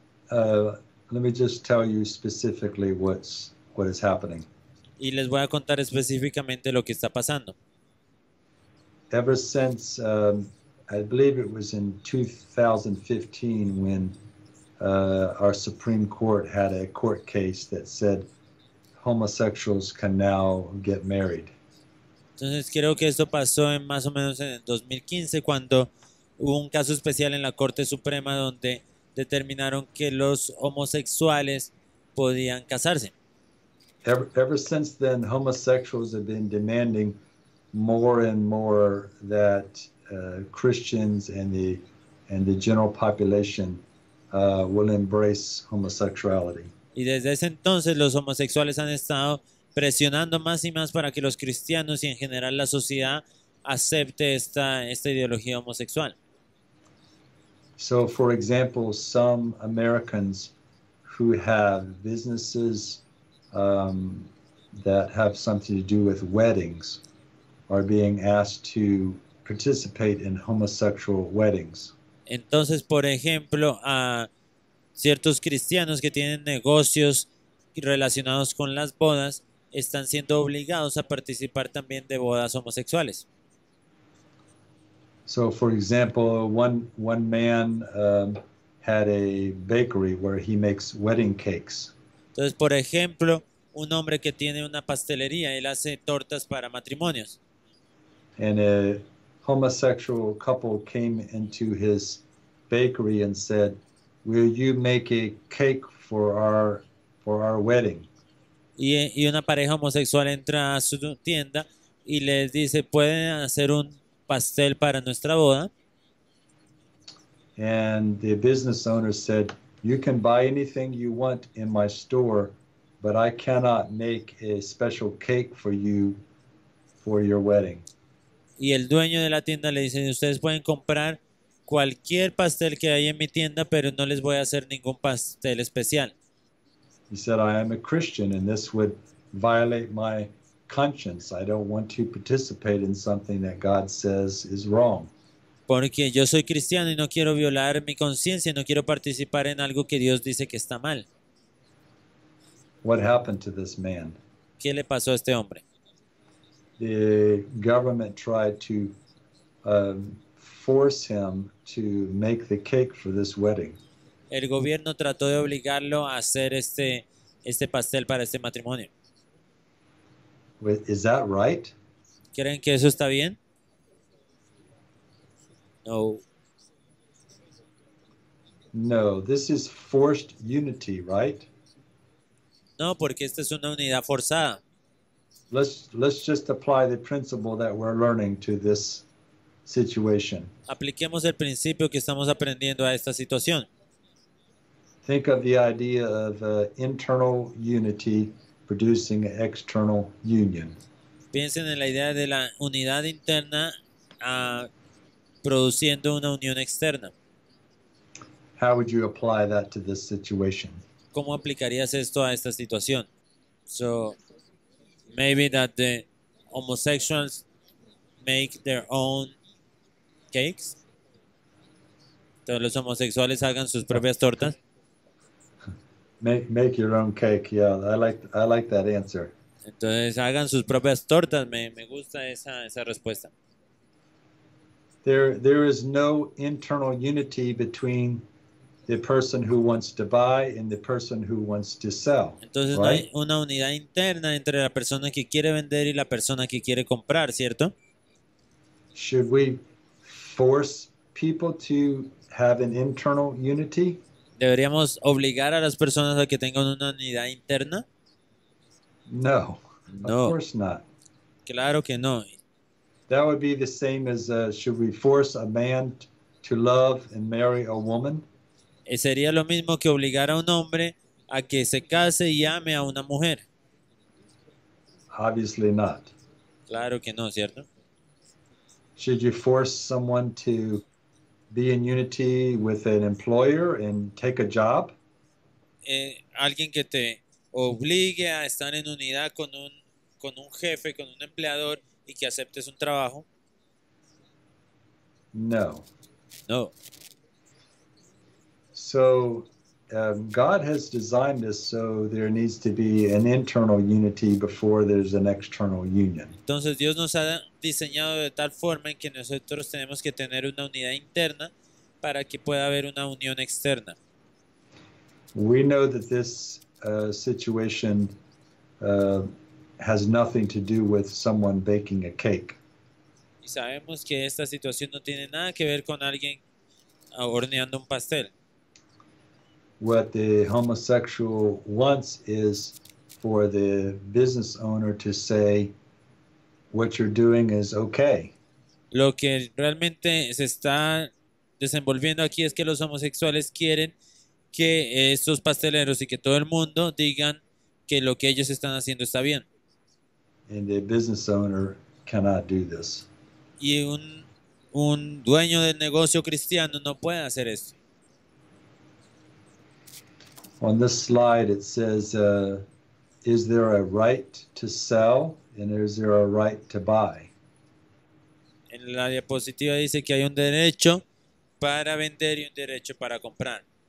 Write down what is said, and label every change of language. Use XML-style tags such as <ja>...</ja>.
<en>Let me just tell you specifically what is happening.</en> <es>Y les voy a contar específicamente lo que está pasando.</es> <en>Ever since, I believe it was in 2015 when our Supreme Court had a court case that said homosexuals can now get married.</en> <es>Entonces creo que esto pasó en más o menos en 2015 cuando hubo un caso especial en la Corte Suprema donde determinaron que los homosexuales podían casarse.</es> <en>Ever since then, homosexuals have been demanding more and more that Christians and the general population will embrace homosexuality.</en> <es>Y desde ese entonces los homosexuales han estado presionando más y más para que los cristianos y en general la sociedad acepte esta ideología homosexual.</es> <en>So, for example, some Americans who have businesses that have something to do with weddings are being asked to participate in homosexual weddings.</en> <es>Entonces, por ejemplo, a ciertos cristianos que tienen negocios relacionados con las bodas están siendo obligados a participar también de bodas homosexuales.</es> <en>So, for example, one man had a bakery where he makes wedding cakes.</en> <es>Entonces, por ejemplo, un hombre que tiene una pastelería, él hace tortas para matrimonios.</es> <en>And a homosexual couple came into his bakery and said, "Will you make a cake for our wedding?"</en> <es>Y una pareja homosexual entra a su tienda y les dice, "¿Pueden hacer un pastel para nuestra boda?"</es> <en>And the business owner said, "You can buy anything you want in my store, but I cannot make a special cake for you for your wedding."</en> <es>Y el dueño de la tienda le dice, "Ustedes pueden comprar cualquier pastel que hay en mi tienda, pero no les voy a hacer ningún pastel especial."</es> <en>He said, "I am a Christian and this would violate my conscience. I don't want to participate in something that God says is wrong."</en> <es>Porque yo soy cristiano y no quiero violar mi conciencia, no quiero participar en algo que Dios dice que está mal.</es> <en>What happened to this man?</en> <es>¿Qué le pasó a este hombre?</es> <en>The government tried to force him to make the cake for this wedding.</en> <es>El gobierno trató de obligarlo a hacer este pastel para este matrimonio.</es> <en>Is that right?</en> <es>¿Creen que eso está bien?</es> <en>No. No, this is forced unity, right?</en> <es>No, porque esta es una unidad forzada.</es> <en>Let's just apply the principle that we're learning to this situation.</en> <es>Apliquemos el principio que estamos aprendiendo a esta situación.</es> <en>Think of the idea of internal unity producing external union.</en> <es>Piensen en la idea de la unidad interna produciendo una unión externa.</es> <en>How would you apply that to this situation?</en> <es>¿Cómo aplicarías esto a esta situación?</es> <en>So, maybe that the homosexuals make their own cakes.</en> <es>Entonces los homosexuales hagan sus propias tortas.</es> <en>Make your own cake. Yeah, I like that answer.</en> <es>Entonces hagan sus propias tortas. Me gusta esa respuesta.</es> <en>There is no internal unity between the person who wants to buy and the person who wants to sell.</en> <es>Entonces</es> <en>right?</en> <es>No hay una unidad interna entre la persona que quiere vender y la persona que quiere comprar, ¿cierto?</es> <en>Should we force people to have an internal unity?</en> <es>¿Deberíamos obligar a las personas a que tengan una unidad interna?</es> <en>No.</en> <es>No.</es> <en>Of course not.</en> <es>Claro que no.</es> <en>That would be the same as should we force a man to love and marry a woman?</en> <es>Sería lo mismo que obligar a un hombre a que se case y ame a una mujer.</es> <en>Obviously not.</en> <es>Claro que no, ¿cierto?</es> <en>Should you force someone to be in unity with an employer and take a job?</en> <es>Alguien que te obligue a estar en unidad con un jefe, con un empleador y que aceptes un trabajo?</es> <en>No.</en> <es>No.</es> <en>So God has designed this so there needs to be an internal unity before there's an external union.</en> <es>Entonces Dios nos ha diseñado de tal forma en que nosotros tenemos que tener una unidad interna para que pueda haber una unión externa.</es> <en>We know that this situation has nothing to do with someone baking a cake.</en> <es>Y sabemos que esta situación no tiene nada que ver con alguien horneando un pastel.</es> <en>What the homosexual wants is for the business owner to say, what you're doing is okay.</en> <es>Lo que realmente se está desenvolviendo aquí es que los homosexuales quieren que estos pasteleros y que todo el mundo digan que lo que ellos están haciendo está bien.</es> <en>And the business owner cannot do this.</en> <es>Y un dueño del negocio cristiano no puede hacer esto.</es> <en>On this slide it says, is there a right to sell and is there a right to buy?</en> <es>En la diapositiva dice que hay un derecho para vender y un derecho para comprar.</es>